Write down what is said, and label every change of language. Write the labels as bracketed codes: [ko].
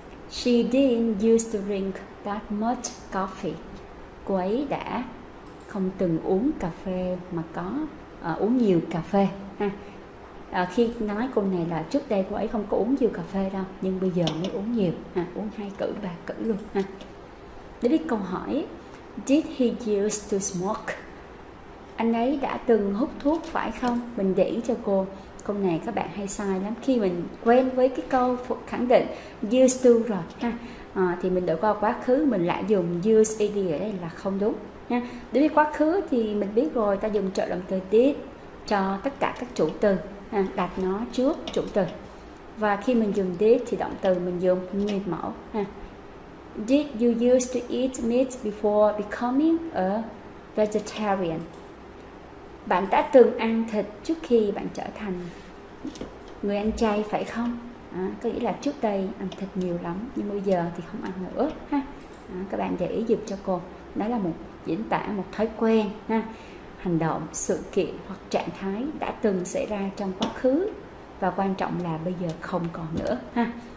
[en] She didn't used to drink that much coffee. [vi] Cô ấy đã không từng uống cà phê mà có uống nhiều cà phê. Khi nói câu này là trước đây cô ấy không có uống nhiều cà phê đâu, nhưng bây giờ mới uống nhiều, uống hai cữ ba cữ luôn. Đối với câu hỏi, [en] did he used to smoke? [vi] Anh ấy đã từng hút thuốc phải không? Mình để ý cho cô, câu này các bạn hay sai lắm. Khi mình quen với cái câu khẳng định used to rồi ha, thì mình đổi qua quá khứ, mình lại dùng used to ở đây là không đúng ha. Đối với quá khứ thì mình biết rồi, ta dùng trợ động từ did cho tất cả các chủ từ, đặt nó trước chủ từ. Và khi mình dùng did thì động từ mình dùng nguyên mẫu ha. [en] Did you used to eat meat before becoming a vegetarian? [vi] Bạn đã từng ăn thịt trước khi bạn trở thành người ăn chay phải không? Có nghĩa là trước đây ăn thịt nhiều lắm, nhưng bây giờ thì không ăn nữa ha. Các bạn để ý giúp cho cô. Đó là một diễn tả, một thói quen ha, hành động, sự kiện hoặc trạng thái đã từng xảy ra trong quá khứ và quan trọng là bây giờ không còn nữa ha.